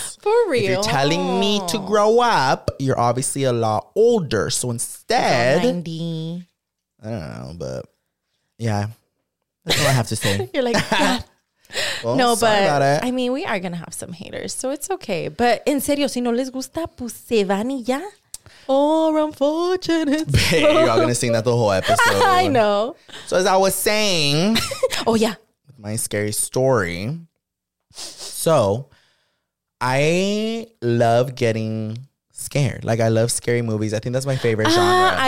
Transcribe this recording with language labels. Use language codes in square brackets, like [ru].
[en] For real, if you're telling me to grow up, you're obviously a lot older. So instead, 90. I don't know, but yeah, that's all I have to say. You're like, yeah. Well, no, sorry but about it. I mean, we are gonna have some haters, so it's okay. [es] But en serio, si no les gusta, pues se van y ya. [en] Or unfortunate. Babe, you're all gonna sing that the whole episode. I know. So as I was saying, oh yeah, with my scary story. So I love getting scared. Like, I love scary movies. I think that's my favorite genre.